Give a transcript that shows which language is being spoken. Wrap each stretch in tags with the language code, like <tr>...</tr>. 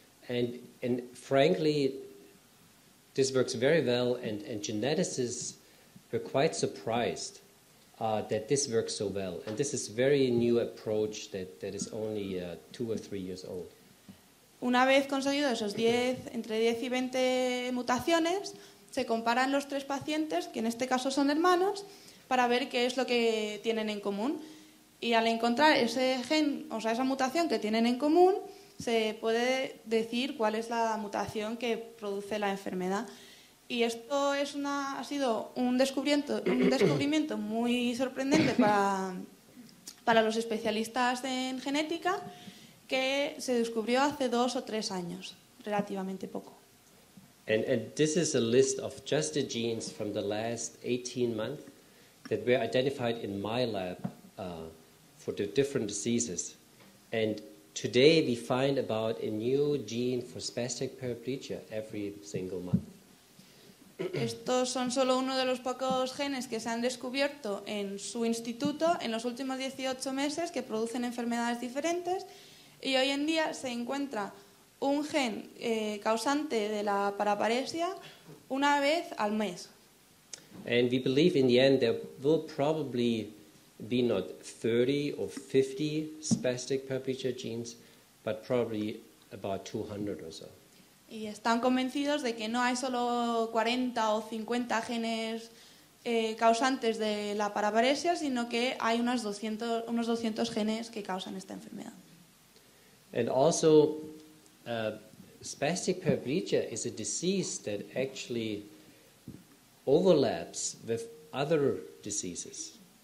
<en>And frankly, this works very well, and geneticists were quite surprised that this works so well. And this is a very new approach that is only 2 or 3 years old.</en> <es>Una vez conseguidos esos 10, entre 10 y 20 mutaciones, se comparan los tres pacientes, que en este caso son hermanos, para ver qué es lo que tienen en común. Y al encontrar ese gen, o sea, esa mutación que tienen en común, se puede decir cuál es la mutación que produce la enfermedad. Y esto ha sido un descubrimiento muy sorprendente para los especialistas en genética, que se descubrió hace 2 o 3 años, relativamente poco.</es> <en>And this is a list of just the genes from the last 18 months that were identified in my lab for the different diseases. And today we find about a new gene for spastic paraplegia every single month.</en> <es>Estos son solo uno de los pocos genes que se han descubierto en su instituto en los últimos 18 meses que producen enfermedades diferentes, y hoy en día se encuentra un gen causante de la paraparesia una vez al mes.</es> <en>And we believe in the end there will probably be not 30 or 50 spastic paraplegia genes, but probably about 200 or so.</en> <es>Y están convencidos de que no hay solo 40 o 50 genes causantes de la paraparesia, sino que hay unos 200 genes que causan esta enfermedad.</es> <en>And also, spastic paraplegia is a disease that actually overlaps with other diseases.</en>